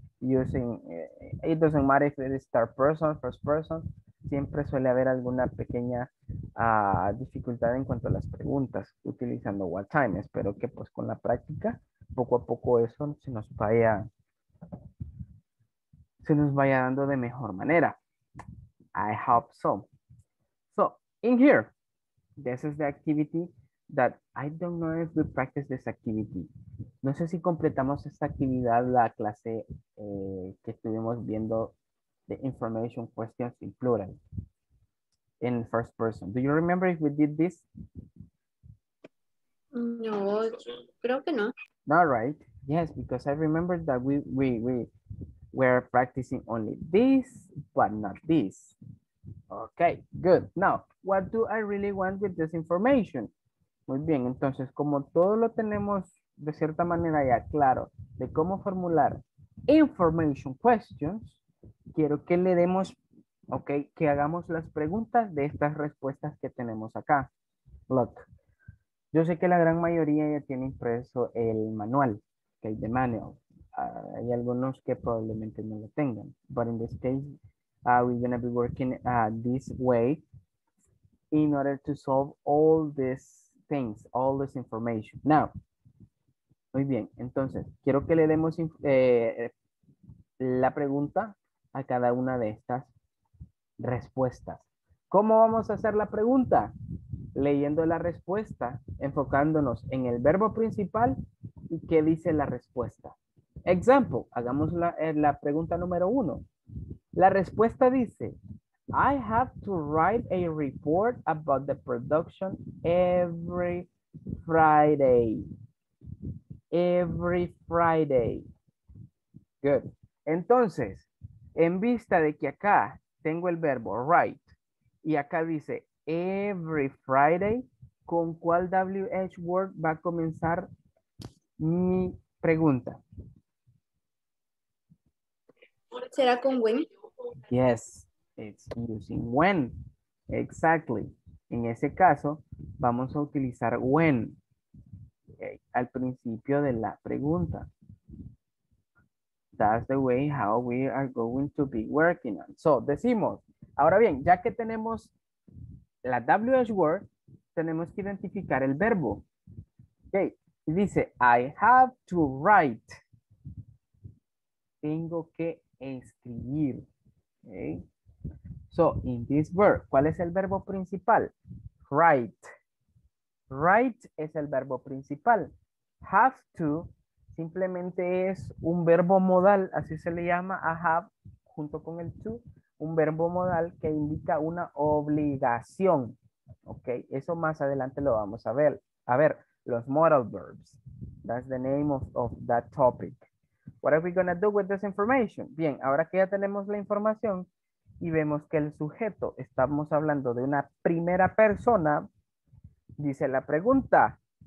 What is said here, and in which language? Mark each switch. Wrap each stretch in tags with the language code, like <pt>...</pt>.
<en>Using, it doesn't matter if it is third person, first person,</en> <es>siempre suele haber alguna pequeña dificultad en cuanto a las preguntas utilizando what time. Espero que pues con la práctica, poco a poco eso se nos vaya dando de mejor manera.</es> <en>I hope so. So, in here, this is the activity that I don't know if we practice this activity.</en> <es>No sé si completamos esta actividad, la clase que estuvimos viendo,</es> <en>the information questions in plural, in first person. Do you remember if we did this?</en> <es>No, creo que no.</es> <en>Not right. Yes, because I remember that we were practicing only this, but not this. Okay, good. Now, what do I really want with this information?</en> <es>Muy bien, entonces, como todo lo tenemos de cierta manera ya claro de cómo formular information questions, quiero que le demos, ok, que hagamos las preguntas de estas respuestas que tenemos acá. Look, yo sé que la gran mayoría ya tiene impreso el manual, ok, the manual. Hay algunos que probablemente no lo tengan.</es> <en>But in this case, we're going to be working this way in order to solve all this things, all this information.</en> <es>Now, muy bien, entonces, quiero que le demos la pregunta a cada una de estas respuestas. ¿Cómo vamos a hacer la pregunta? Leyendo la respuesta, enfocándonos en el verbo principal y qué dice la respuesta. Example, hagamos la pregunta número uno. La respuesta dice,</es> <en>I have to write a report about the production every Friday. Every Friday. Good.</en> <es>Entonces, en vista de que acá tengo el verbo write y acá dice every Friday, ¿con cuál WH word va a comenzar mi pregunta? ¿Será con when?</es> <en>Yes. It's using when. Exactly.</en> <es>En ese caso, vamos a utilizar when, okay, al principio de la pregunta.</es> <en>That's the way how we are going to be working on.</en> <es>So, decimos, ahora bien, ya que tenemos la WH word, tenemos que identificar el verbo.</es> <en>Okay.</en> <es>Y dice,</es> <en>I have to write.</en> <es>Tengo que escribir.</es> <en>Okay. So, in this verb,</en> <es>¿cuál es el verbo principal? Write. Write es el verbo principal. Have to simplemente es un verbo modal, así se le llama a have junto con el to, un verbo modal que indica una obligación. Ok, eso más adelante lo vamos a ver. A ver, los</es> <en>modal verbs. That's the name of that topic. What are we going to do with this information?</en> <es>Bien, ahora que ya tenemos la información y vemos que el sujeto, estamos hablando de una primera persona, dice la pregunta.</es>